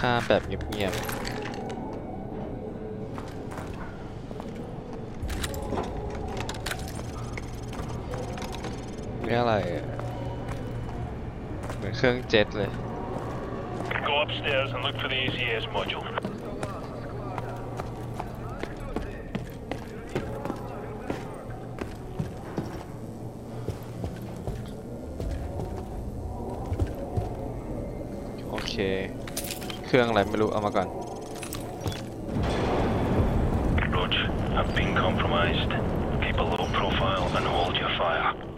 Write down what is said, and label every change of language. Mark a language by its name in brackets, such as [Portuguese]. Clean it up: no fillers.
[Thai] แบบเงียบๆนี่อะไรเหมือนเครื่องเจ็ตเลย [English] Go upstairs and look for the ECS module [Thai] โอเคเครื่องอะไรไม่รู้เอามาก่อน [English] Roach, I've been compromised. Keep a low profile and hold your fire.